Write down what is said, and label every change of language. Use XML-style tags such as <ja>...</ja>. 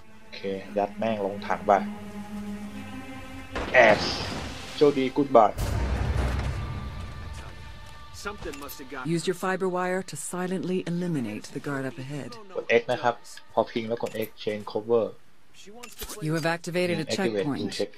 <th>Okay, ยัดแม่งลงถังไป Ash. โชคดี Goodbye.</th> <en>Something must have got. Use your fiber wire to silently eliminate the guard up ahead.</en> <th>กด X นะครับพอพิงแล้วกด X</th> <en>chain cover. You have activated a checkpoint.</en>